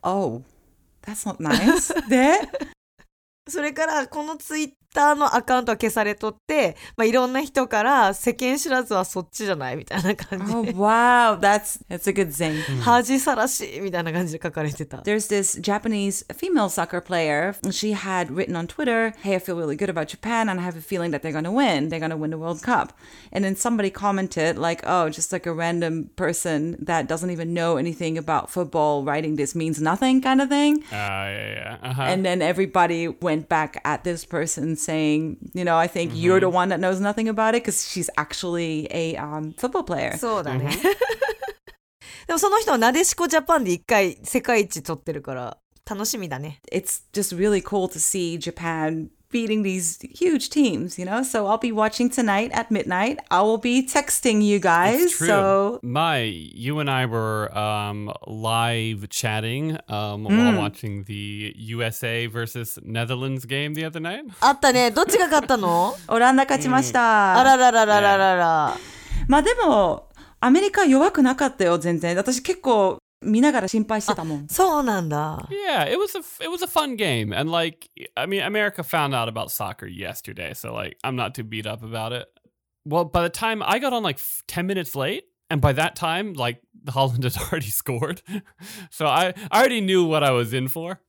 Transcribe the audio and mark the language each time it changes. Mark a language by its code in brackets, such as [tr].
[en] Oh, that's not nice. [ja] で、それからこのツイッターのアカウントは消されとって、まあ、いろんな人から世間知らずはそっちじゃないみたいな感じ。 [en] Oh, wow, that's a good thing. [ja] 恥さらしいみたいな感じで書かれてた。 [en] There's this Japanese female soccer player. She had written on Twitter, "Hey, I feel really good about Japan and I have a feeling that they're going to win. They're going to win the World Cup." And then somebody commented like, "Oh, just like a random person that doesn't even know anything about football writing this means nothing kind of thing." And then everybody went back at this person saying, you know, I think you're the one that knows nothing about it because she's actually a football player. [ja] そうだね。でもその人はなでしこジャパンで一回世界一取ってるから楽しみだね。 [en] It's just really cool to see Japan beating these huge teams, you know? So I'll be watching tonight at midnight. I will be texting you guys. It's true. So Mai, you and I were live chatting while watching the USA versus Netherlands game the other night. [ja] あったね。どっちが勝ったの？オランダ勝ちました。あらららららら。まあでも、アメリカ弱くなかったよ全然。私結構見ながら心配してたもん。そうなんだ。 [en] Yeah, it was a fun game. And like, I mean, America found out about soccer yesterday, so like, I'm not too beat up about it. Well, by the time I got on like 10 minutes late, and by that time, like, Holland had already scored. So I already knew what I was in for.